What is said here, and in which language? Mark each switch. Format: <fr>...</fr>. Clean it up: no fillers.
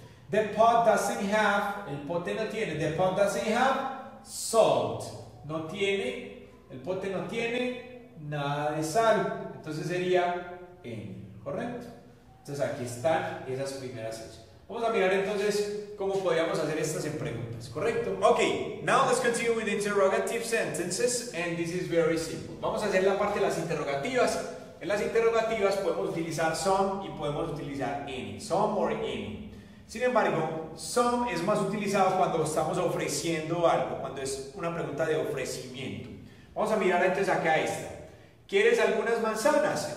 <en>The pot doesn't have,</en> <es>el pote no tiene,</es> <en>the pot doesn't have salt.</en> <es>No tiene, el pote no tiene nada de sal. Entonces sería en, ¿correcto? Entonces aquí están esas primeras hechas. Vamos a mirar entonces cómo podríamos hacer estas en preguntas, ¿correcto?</es> <en>Ok, now let's continue with interrogative sentences, and this is very simple.</en> <es>Vamos a hacer la parte de las interrogativas. En las interrogativas podemos utilizar some y podemos utilizar any, some or any. Sin embargo, some es más utilizado cuando estamos ofreciendo algo, cuando es una pregunta de ofrecimiento. Vamos a mirar entonces acá esta. ¿Quieres algunas manzanas?</es>